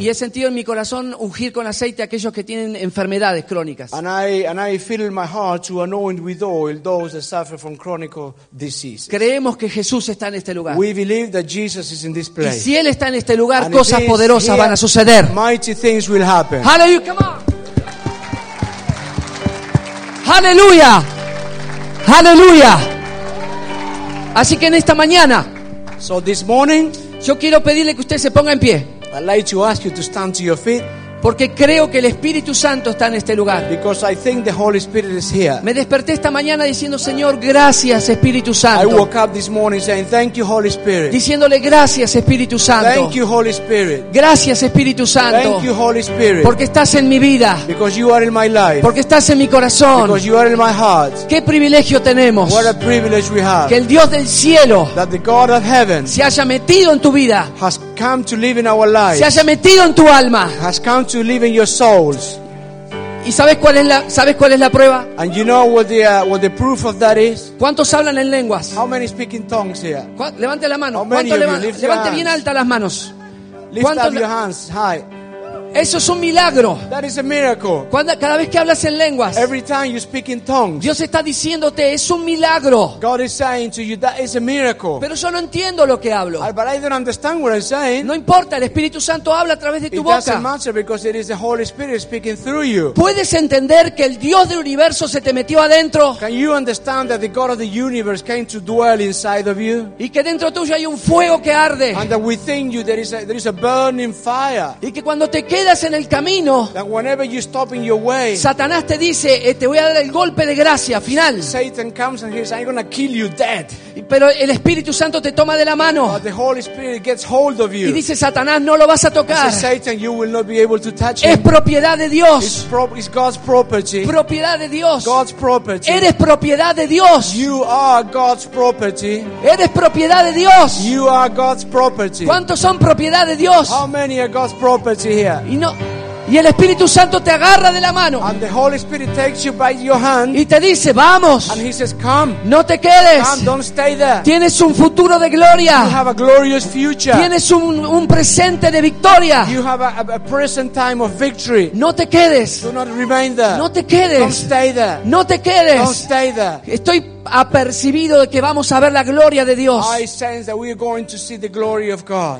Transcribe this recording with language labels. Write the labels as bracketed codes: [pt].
[es] Y he sentido en mi corazón ungir con aceite a aquellos que tienen enfermedades crónicas. [en] And I feel in my heart to anoint with oil those that suffer from chronic diseases. [es] Creemos que Jesús está en este lugar. [en] We believe that Jesus is in this place. [es] Y si él está en este lugar, and cosas poderosas [en] here, [es] van a suceder. [en] Mighty things will happen. Hallelujah, come on. [es] Hallelujah. Hallelujah. Así que en esta mañana, [en] so this morning, [es] yo quiero pedirle que usted se ponga en pie. [en] I'd like to ask you to stand to your feet. [es] Porque creo que el Espíritu Santo está en este lugar. [en] Because I think the Holy Spirit is here. [es] Me desperté esta mañana diciendo, Señor, gracias, Espíritu Santo. [en] I woke up this morning saying, thank you, Holy Spirit. [es] Diciéndole gracias, Espíritu Santo. [en] Thank you, Holy Spirit. [es] Gracias, Espíritu Santo. [en] Thank you, Holy Spirit. [es] Porque estás en mi vida. [en] Because you are in my life. [es] Porque estás en mi corazón. [en] Because you are in my heart. [es] Qué privilegio tenemos. [en] What a privilege we have. [es] Que el Dios del cielo, [en] that the God of heaven, [es] se haya metido en tu vida. [en] Has come to live in our lives. [es] Se haya metido en tu alma. [en] Has come to live in your souls. [es] ¿Y sabes cuál es la prueba? [en] And you know what the proof of that is? [es] ¿Cuántos hablan en lenguas? [en] How many speak in tongues here? [es] Levante la mano. Levante bien alta las manos. [en] Lift up your hands high. [es] Eso es un milagro. [en] That is a miracle. [es] Cada vez que hablas en lenguas, [en] every time you speak in tongues, [es] Dios está diciéndote, es un milagro. [en] God is saying to you, that is a miracle. [es] Pero yo no entiendo lo que hablo. [en] But I don't understand what I'm saying. [es] No importa, el Espíritu Santo habla a través de tu boca. [en] It doesn't matter because it is the Holy Spirit speaking through you. [es] ¿Puedes entender que el Dios del universo se te metió adentro? [en] Can you understand that the God of the universe came to dwell inside of you? [es] Y que dentro tuyo hay un fuego que arde. [en] And that within you there is a burning fire. [es] Y que cuando te quedas en el camino, [en] that whenever you stop in your way, [es] Satanás te dice, te voy a dar el golpe de gracia final. [en] Satan comes and he says, I'm gonna kill you dead. [es] Pero el Espíritu Santo te toma de la mano. [en] But the Holy Spirit gets hold of you. [es] Y dice, Satanás, no lo vas a tocar. [en] Says, Satan, you will not be able to touch him. [es] Es propiedad de Dios. [en] It's God's property. [es] Propiedad de Dios. [en] God's property. [es] Eres propiedad de Dios. [en] You are God's property. [es] Eres propiedad de Dios. [en] You are God's property. [es] ¿Cuántos son propiedad de Dios? [en] How many are God's property here? [es] Y no, y el Espíritu Santo te agarra de la mano. [en] And the Holy Spirit takes you by your hand. [es] Y te dice, vamos. [en] And he says, come. [es] No te quedes. [en] Come, don't stay there. [es] Tienes un futuro de gloria. [en] You have a glorious future. [es] Tienes un presente de victoria. [en] You have a present time of victory. [es] No te quedes. [en] Do not remain there. [es] No te quedes. [en] Don't stay there. [es] No te quedes. [en] Don't stay there. [es] Estoy apercibido de que vamos a ver la gloria de Dios. [en] I sense that we are going to see the glory of God.